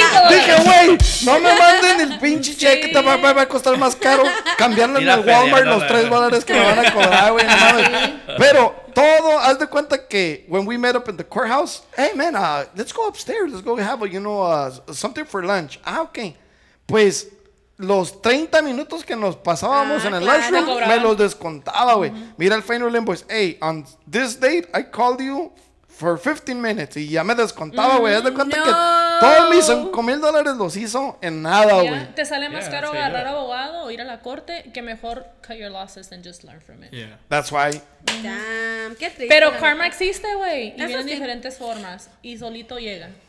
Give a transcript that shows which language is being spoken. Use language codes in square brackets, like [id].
[es] Dije, güey, no me manden el pinche cheque, te va a costar más caro cambiarlo en el Walmart los $3 que me van a cobrar, güey. Pero todo, haz de cuenta que [en] when we met up in the courthouse, hey man, let's go upstairs, let's go have something for lunch. Ah, okay. [es] Pues los 30 minutos que nos pasábamos en el lunchroom, me los descontaba, güey. Uh-huh. Mira el [en] final invoice. Hey, on this date, I called you for 15 minutes. [es] Y ya me descontaba, güey. Haz de cuenta que todos mis $5,000 los hizo en nada, güey. Te sale más caro agarrar abogado o ir a la corte que mejor [en] cut your losses and just learn from it. Yeah. That's why. [es] Damn, qué triste. Pero karma existe, güey. Y viene en diferentes formas. Y solito llega.